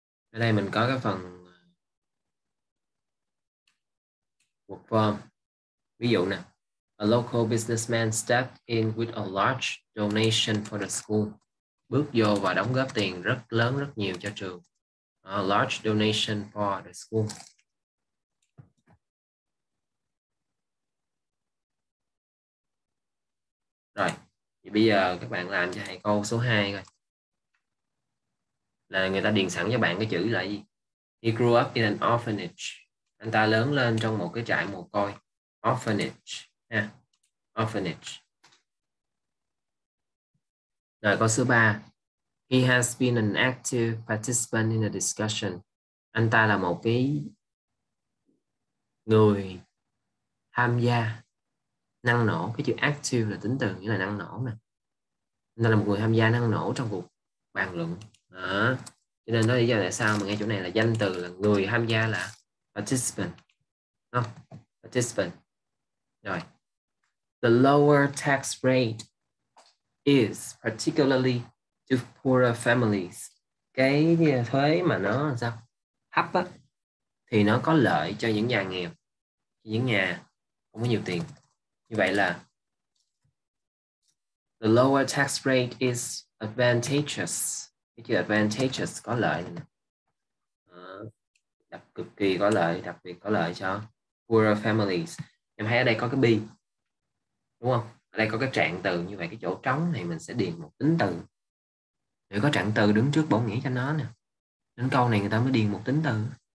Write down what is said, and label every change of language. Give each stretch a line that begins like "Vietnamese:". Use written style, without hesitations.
Vietnamese: Ở đây mình có cái phần work form. Ví dụ nè,
English: a local businessman stepped in with a large donation for the school.
Vietnamese: Bước vô và đóng góp tiền rất lớn, rất nhiều cho trường.
English: A large donation for the school.
Vietnamese: Rồi, thì bây giờ các bạn làm cho thầy câu số 2 coi. Là người ta điền sẵn cho bạn cái chữ là gì?
English: He grew up in an orphanage.
Vietnamese: Anh ta lớn lên trong một cái trại mồ côi.
English: Orphanage. Yeah. Orphanage.
Vietnamese: Rồi câu số 3.
English: He has been an active participant in a discussion.
Vietnamese: Anh ta là một cái người tham gia năng nổ. Cái chữ active là tính từ, nghĩa là năng nổ nè. Anh ta là một người tham gia năng nổ trong cuộc bàn luận. Đó. Cho nên đó lý do tại sao mà nghe chỗ này là danh từ là người tham gia là participant. Đó. Participant. Rồi.
English: The lower tax rate is particularly to poorer families.
Vietnamese: Cái thuế mà nó sao? Thấp á. Thì nó có lợi cho những nhà nghèo. Những nhà không có nhiều tiền. Như vậy là
English: the lower tax rate is advantageous.
Vietnamese: Cái chữ advantageous có lợi nè. Đặc cực kỳ có lợi, đặc biệt có lợi cho poorer families. Em thấy ở đây có cái be. Đúng không? Ở đây có cái trạng từ, như vậy cái chỗ trống này mình sẽ điền một tính từ. Để có trạng từ đứng trước bổ nghĩa cho nó nè. Đến câu này người ta mới điền một tính từ.